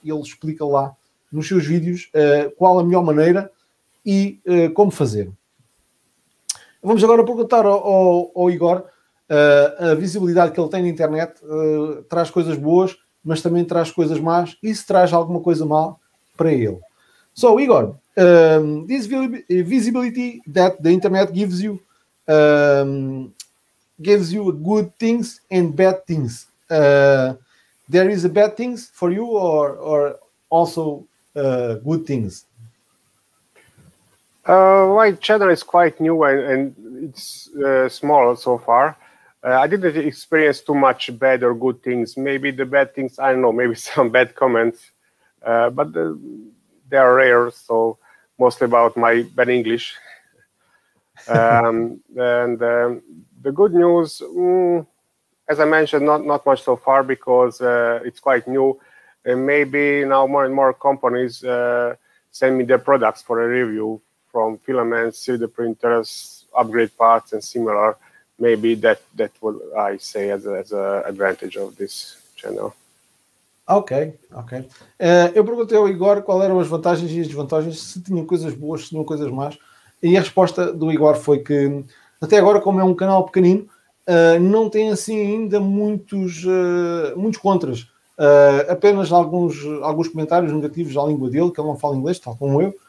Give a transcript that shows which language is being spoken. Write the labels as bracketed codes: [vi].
[pt] Ele explica lá nos seus vídeos qual a melhor maneira e como fazer. Vamos agora perguntar ao Igor a visibilidade que ele tem na internet. Traz coisas boas, mas também traz coisas más. E se traz alguma coisa mal para ele? [en] So, Igor, this visibility that the internet gives you good things and bad things. There is a bad things for you or also good things? My channel is quite new and it's small so far. I didn't experience too much bad or good things. Maybe the bad things, I don't know, maybe some bad comments, but they are rare, so mostly about my bad English. The good news, as I mentioned, not much so far because it's quite new. And maybe now more and more companies send me their products for a review, from filaments, 3D printers, upgrade parts, and similar. Maybe that would I say as a advantage of this channel. Ok. [pt] Eu perguntei ao Igor qual eram as vantagens e as desvantagens, se tinham coisas boas, se tinham coisas más. E a resposta do Igor foi que, até agora, como é um canal pequenino, não tem assim ainda muitos contras. Apenas alguns comentários negativos à língua dele, que ele não fala inglês, tal como eu.